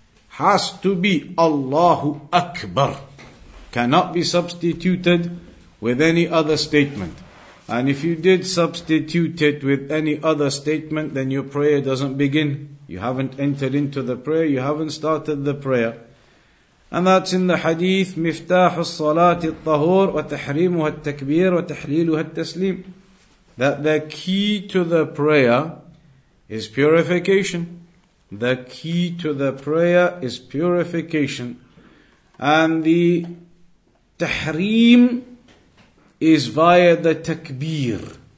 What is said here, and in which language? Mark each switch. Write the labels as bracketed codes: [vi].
[en] Has to be Allahu Akbar. Cannot be substituted with any other statement. And if you did substitute it with any other statement, then your prayer doesn't begin. You haven't entered into the prayer, you haven't started the prayer. And that's in the hadith, [ar] مفتاح الصلاة الطهور وتحريمها التكبير وتحليلها التسليم. [en] That the key to the prayer is purification. The key to the prayer is purification. And the تحريم is via the takbir.